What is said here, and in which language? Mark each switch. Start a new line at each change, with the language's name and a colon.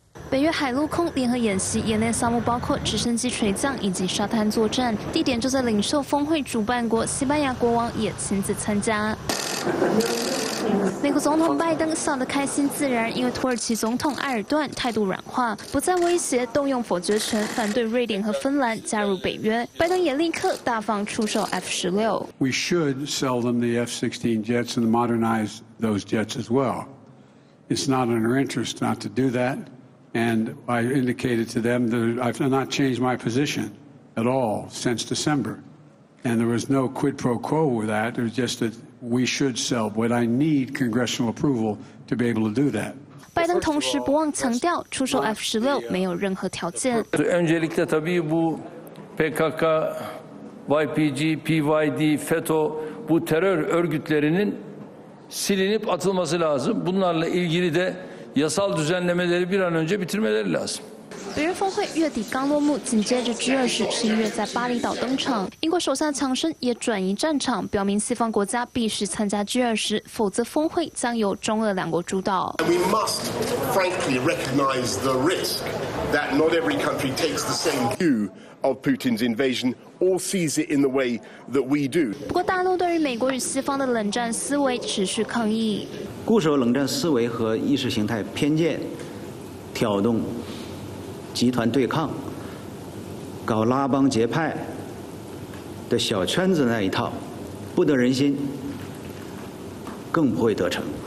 Chinese: 北约海陆空联合演习演练项目包括直升机垂降以及沙滩作战，地点就在领袖峰会主办国西班牙国王也亲自参加。美国总统拜登笑得开心自然，因为土耳其总统埃尔段态度软化，不再威胁动用否决权反对瑞典和芬兰加入北约，拜登也立刻大方出售 F-16。
English: We should sell them the F-16 jets and modernize those jets as well. It's not in our interest not to do that, and I indicated to them that I've not changed my position at all since December, and there was no quid pro quo with that. It was just thatWe should sell, but I need congressional approval to be able to do that.
Chinese: 拜登同时不忘强调，出售 F-16 没有任何条件。
Turkish: Öncelikle tabii bu PKK, YPG, PYD, FETÖ bu terör örgütlerinin silinip atılması lazım. Bunlarla ilgili de yasal düzenlemeleri bir an önce bitirmeleri lazım.
Chinese: 北约峰会月底刚落幕，紧接着 G20 11月在巴厘岛登场。英国首相强生也转移战场，表明西方国家必须参加 G20， 否则峰会将由中俄两国主导。
English: We must frankly recognize the risk that not every country takes the same view of Putin's invasion. All sees it in the way that we do.
Chinese: 不过，大陆对于美国与西方的冷战思维持续抗议。固守冷战思维和意识形态偏见，挑动集团对抗，搞拉帮结派的小圈子那一套，不得人心，更不会得逞。